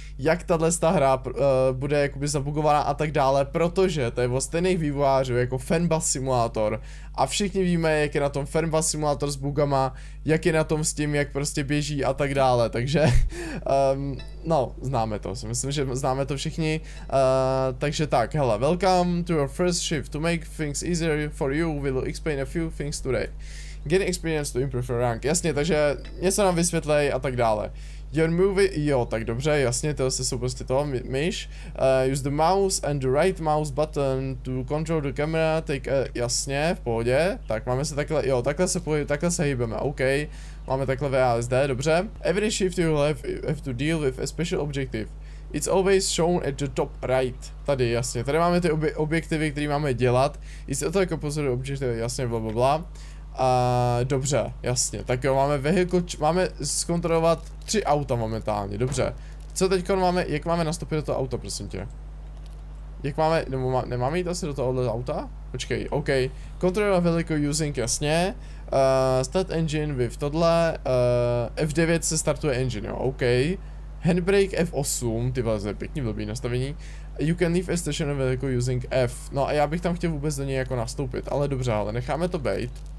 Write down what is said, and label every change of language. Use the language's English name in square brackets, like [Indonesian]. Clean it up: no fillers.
[Czech] Jak tahle hra bude jakoby zabugovaná a tak dále, protože to je o stejných vývojářů jako Fanbus Simulator. A všichni víme, jak je na tom Fanbus Simulator s bugama, jak je na tom s tím, jak prostě běží a tak dále, takže no, známe to, si myslím, že známe to všichni. Takže tak, hele, [English] welcome to your first shift. To make things easier for you, we'll explain a few things today. Gain experience to improve your rank. [Czech] Jasně, takže něco nám vysvětlej a tak dále. [English] Your movie, [Czech] jo, tak dobře, jasně, to jsou prostě to, myš. [English] Use the mouse and the right mouse button to control the camera, [Czech] jasně, v pohodě. Tak máme se takhle, jo, takhle se hýbeme, OK. Máme takhle VASD, dobře. [English] Every shift you have to deal with a special objective. It's always shown at the top right. [Czech] Tady, jasně, tady máme ty objektivy, které máme dělat. [English] It's a tak opposite objective, [Czech] jasně, blablabla. Dobře, jasně, tak jo, máme vehicle, máme zkontrolovat 3 auta momentálně, dobře. Co teďko máme, jak máme nastoupit do toho auta, prosím tě? Jak máme, nebo nemáme jít asi do tohohle auta? Počkej, OK. [English] Control a vehicle using, [Czech] jasně. [English] Start engine with [Czech] tohle, F9 se startuje [English] engine, jo, OK. [Czech] Handbrake F8, ty vole, je pěkný, blbý nastavení. [English] You can leave a station vehicle using F. [Czech] No a já bych tam chtěl vůbec do něj jako nastoupit, ale dobře, ale necháme to bejt.